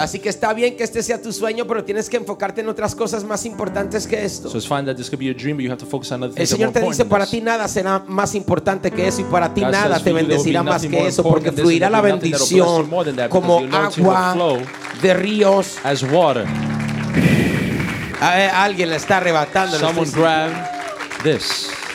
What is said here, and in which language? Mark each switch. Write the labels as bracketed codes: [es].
[es] Así que está bien que este sea tu sueño, pero tienes que enfocarte en otras cosas más importantes que esto. [en] So it's fine that this could be your dream, but you have to focus on other things. [es] El Señor te dice, para ti nada será más importante que eso, y para ti nada te bendecirá más que eso, porque fluirá la bendición como agua de ríos. [en] As water. [es] Alguien le está arrebatando. [en] Someone grab this.